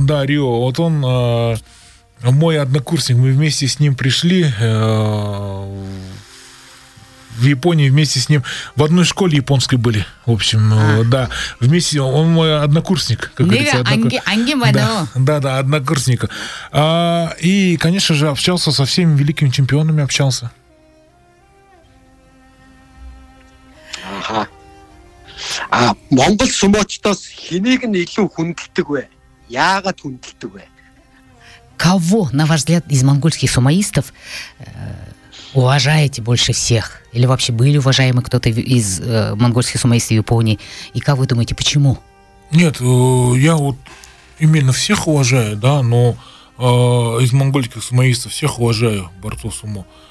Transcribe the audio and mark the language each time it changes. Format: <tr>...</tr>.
<ru>Да, Рио, вот он, мой однокурсник, мы вместе с ним пришли в Японии, вместе с ним в одной школе японской были, в общем, да, вместе, он мой однокурсник, как говорится, да, однокурсник, и, конечно же, общался со всеми великими чемпионами, общался. Ага.</ru> <mn>А, монгол сумочтос, хэнийг нь илүү хүндэлдэг вэ? Яагаад хүндэлдэг вэ?</mn> <ru>Кого, на ваш взгляд, из монгольских сумоистов уважаете больше всех? Или вообще были уважаемы кто-то из монгольских сумоистов в Японии? И как вы думаете, почему? Нет, я вот именно всех уважаю, да, но из монгольских сумоистов всех уважаю борцов сумо.</ru>